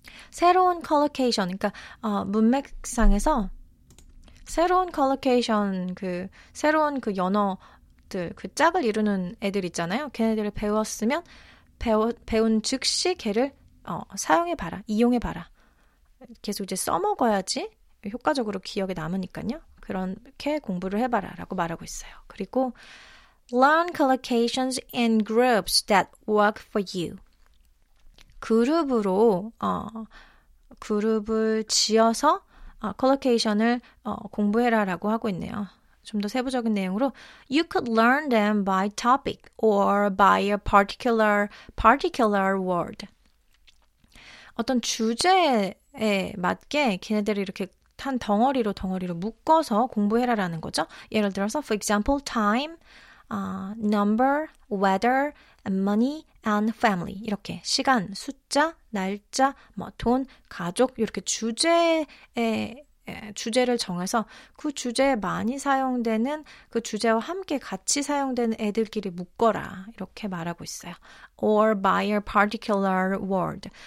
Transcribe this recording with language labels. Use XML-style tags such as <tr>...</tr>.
<ko>새로운 collocation, 그러니까 문맥상에서 새로운 collocation, 새로운 그 연어들, 그 짝을 이루는 애들 있잖아요. 걔네들을 배웠으면 배운 즉시 걔를 사용해봐라, 이용해봐라. 계속 이제 써먹어야지 효과적으로 기억에 남으니까요. 그렇게 공부를 해봐라 라고 말하고 있어요. 그리고</ko> <en>learn collocations in groups that work for you.</en> <ko>그룹으로 그룹을 지어서 collocation을 공부해라 라고 하고 있네요. 좀 더 세부적인 내용으로</ko> <en>you could learn them by topic or by a particular word.</en> <ko>어떤 주제에 맞게 걔네들이 이렇게 한 덩어리로 묶어서 공부해라 라는 거죠. 예를 들어서</ko> <en>for example time, number, weather, money and family.</en> <ko>이렇게 시간, 숫자, 날짜, 뭐 돈, 가족 이렇게 주제를 정해서 그 주제에 많이 사용되는 그 주제와 함께 같이 사용되는 애들끼리 묶어라 이렇게 말하고 있어요.</ko> <en>Or by a particular word.</en>